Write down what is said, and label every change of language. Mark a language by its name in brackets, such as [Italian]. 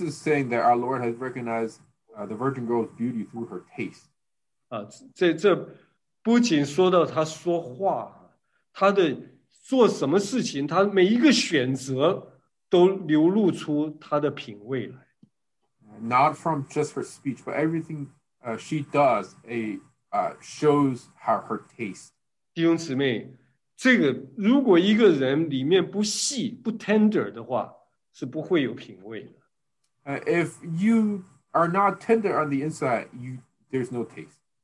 [English] is saying that our Lord has recognized the virgin girl's beauty through her taste. [Chinese] 这不仅说到她说话，她的做什么事情，她每一个选择都流露出她的品味来。 [English] Not from just her speech, but everything she does, shows how her taste. [Chinese] 弟兄姊妹，这个如果一个人里面不细不 tender 的话，是不会有品味的。 [English] If you are not tender on the inside, there's no taste.